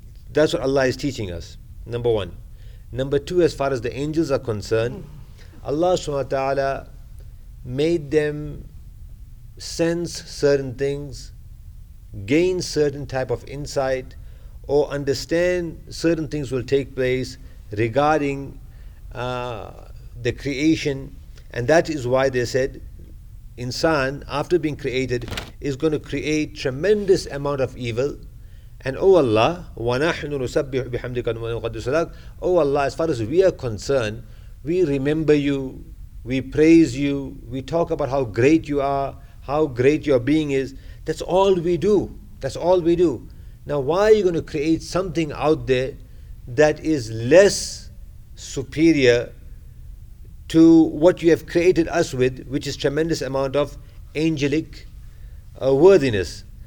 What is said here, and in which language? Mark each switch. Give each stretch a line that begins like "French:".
English: That's what Allah is teaching us, number one. Number two, as far as the angels are concerned, Allah subhanahu wa ta'ala made them sense certain things, gain certain type of insight, or understand certain things will take place regarding the creation. And that is why they said insan, after being created, is going to create tremendous amount of evil. And O Allah,
Arabic: وَنَحْنُ نُسَبِّحُ بِحَمْدِكَ وَنُقَدِّسُ لَكَ.
English: O Allah, as far as we are concerned, we remember you, we praise you, we talk about how great you are, how great your being is. That's all we do. That's all we do. Now why are you going to create something out there that is less superior to what you have created us with, which is tremendous amount of angelic worthiness?